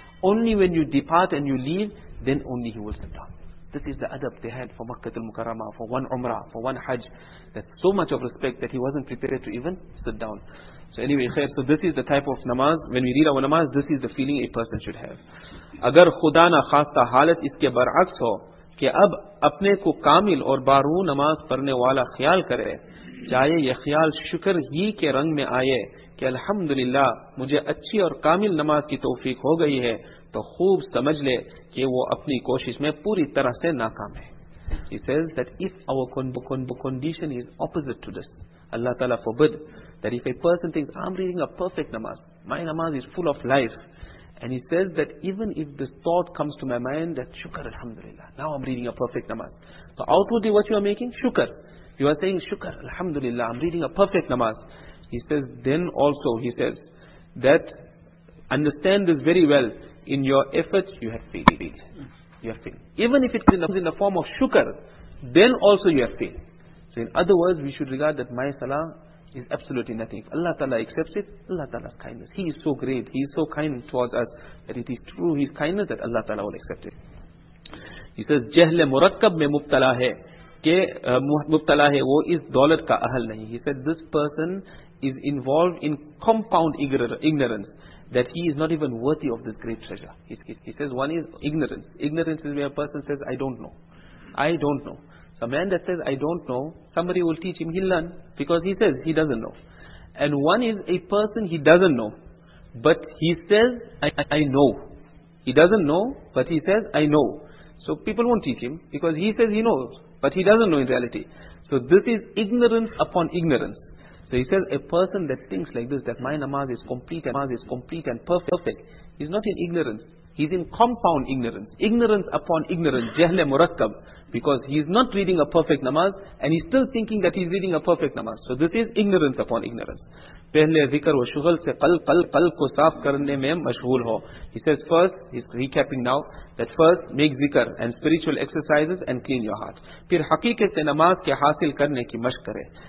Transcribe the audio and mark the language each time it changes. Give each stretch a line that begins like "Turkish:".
English: Only when you depart and you leave, then only he will sit down. This is the adab they had for Makkatul Mukarramah, for one Umrah, for one Hajj. That's so much of respect that he wasn't prepared to even sit down. So anyway, so this is the type of namaz, when we read our namaz, this is the feeling a person should have.
Urdu: Agar khuda na khasta halat iske baraks ho, کہ اب اپنے کو کامل اور بارو نماز پڑھنے والا خیال کرے چاہے یہ خیال شکر ہی کے رنگ میں آئے کہ الحمدللہ مجھے اچھی اور کامل نماز کی توفیق ہو گئی ہے تو خوب سمجھ لے کہ وہ اپنی کوشش میں پوری طرح سے ناکام ہے.
English: He says that if our condition is opposite to this, Allah Ta'ala forbid, that if a person thinks I'm reading a perfect namaz, my namaz is full of life, and he says that even if this thought comes to my mind that shukr alhamdulillah, now I'm reading a perfect namaz. So outwardly what you are making? Shukr. You are saying shukr alhamdulillah, I'm reading a perfect namaz. He says then also, he says that understand this very well, in your efforts you have failed. You have failed. Even if it comes in the form of shukr, then also you have failed. So in other words, we should regard that my salah is absolutely nothing. If Allah Ta'ala accepts it, Allah Ta'ala's kindness. He is so great, He is so kind towards us, that it is through His kindness that Allah Ta'ala will accept it. He says,
Urdu: جہل مرکب میں مبتلا ہے کہ مبتلا ہے وہ اس دولت کا اہل نہیں.
English: He said, this person is involved in compound ignorance, that he is not even worthy of this great treasure. He says, one is ignorance. Ignorance is where a person says, I don't know. A man that says, I don't know, somebody will teach him, he'll learn, because he says he doesn't know. And one is a person, he doesn't know, but he says, I know. He doesn't know, but he says, I know. So people won't teach him, because he says he knows, but he doesn't know in reality. So this is ignorance upon ignorance. So he says, a person that thinks like this, that my namaz is complete, and namaz is complete and perfect, he's not in ignorance. He's in compound ignorance. Ignorance upon ignorance. Jahle murakkab. Because he's not reading a perfect namaz, and he's still thinking that he's reading a perfect namaz. So this is ignorance upon ignorance.
Urdu: پہلے ذکر و شغل سے قلب کو صاف کرنے میں مشغول ہو.
English: He says first, he's recapping now, that first make zikr and spiritual exercises and clean your heart.
Urdu: پھر حقیقت سے نماز کے حاصل کرنے کی مشق کرے.